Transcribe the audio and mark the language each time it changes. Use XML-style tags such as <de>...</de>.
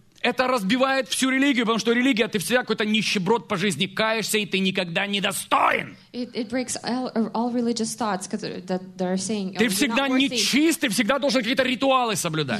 <ru>Это разбивает всю религию, потому что религия, ты всегда какой-то нищеброд по жизни каешься, и ты никогда не достоин.</ru> <en>It breaks all religious thoughts that they're saying.</en> <ru>Ты всегда нечист, ты всегда должен какие-то ритуалы соблюдать.</ru>